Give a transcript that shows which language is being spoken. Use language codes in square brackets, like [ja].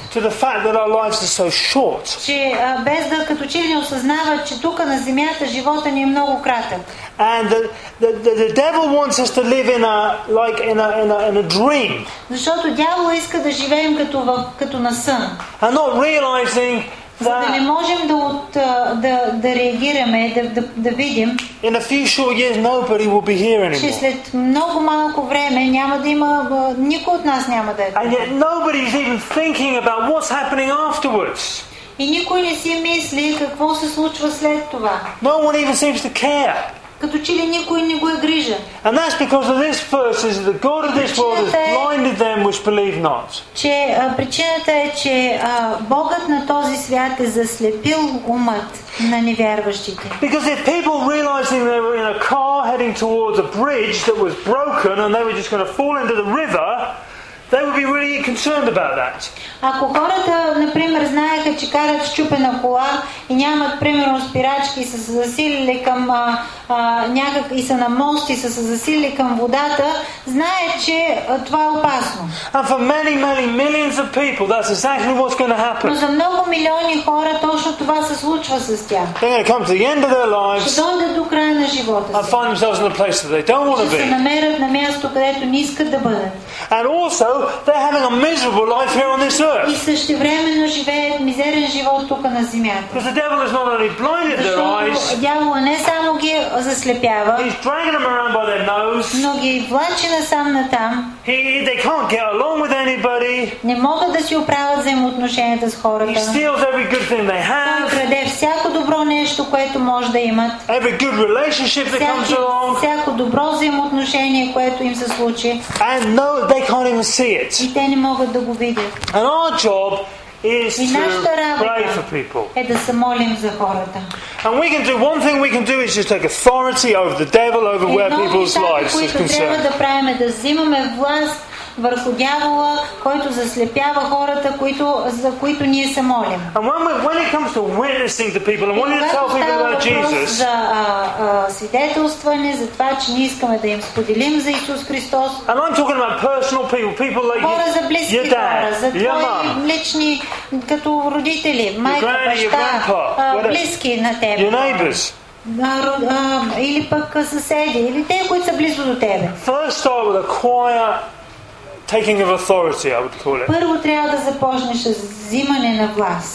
[en] To the fact that our lives are so short. [bg] Че без да като че ли не осъзнават, че тук на земята живота ни е много кратък. [en] And the devil wants us to live in a dream. [bg] Защото дяволът иска да живеем като на сън. [en] And not realizing that. [bg] За да не можем да реагираме, да видим. [en] In a few short years, nobody will be here anymore. [bg] Че след много малко време няма да има никой от нас няма да е. [en] And yet nobody is even thinking about what's happening afterwards. [bg] И никой не си мисли какво се случва след това. [en] No one even seems to care. [bg] като че ли никой не го е грижа. [en] And that's because of this verse, is the God of this world has blinded them which believe not. [bg] Че причината е, че Богът на този свят е заслепил умът на невярващите. [en] Because if people realizing they were in a car heading towards a bridge that was broken and they were just going to fall into the river, they would be really concerned about that. [bg] Ако хората, например, знаеха, че карат счупена кола и нямат примерно спирачки, са се засилили към някак и са на мост и са се засилили към водата, знаят, че това е опасно. [en] And for many, many millions of people, that's exactly what's going to happen. [bg] Но за много милиони хора точно това се случва с тях. [en] They're going to come to the end of their lives. [bg] Ще дойдат до края на живота си. [en] And find themselves in a place that they don't want to be. [bg] Ще се намерят на място, където не искат да бъдат. [en] And also, they're having a miserable life here on this earth. [bg] И същевременно живеят мизерен живот тук на земята. [en] Because the devil has not only blinded their eyes. [bg] Дявола не само ги заслепява. [en] He's dragging them around by their nose. [bg] Но ги влачи насам натам. [en] They can't get along with anybody. [bg] Не могат да си оправят взаимоотношенията с хората. [en] He steals every good thing they have. [bg] Той краде всяко добро нещо, което може да имат. [en] Every good relationship that comes along. [bg] Всяко добро взаимоотношение, което им се случи. [en] And no, they can't even see it. [bg] И те не могат да го видят. [en] And our job is to pray for people. [bg] Е да се молим за хората. [en] And we can do one thing we can do is just take authority over the devil, over [bg] Едно [en] where people's [bg] лица, [en] lives is concerned. [bg] Трябва да правим да взимаме власт върху дявола, който заслепява хората, които, за които ние се молим. [en] And when it comes to witnessing to people and wanting to tell people about Jesus, [bg] за свидетелстване, за това, че ние искаме да им споделим за Исус Христос. [en] And I'm talking about personal people, people like your dad, your mom, [bg] за твои лични, като родители, майка, баща, близки на теб. [en] Your neighbors. [bg] Или пък съседи, или те, които са близо до тебе. [en] First start with a quiet taking of authority, I would call it. [bg] Първо трябва да започнеш с взимане на власт.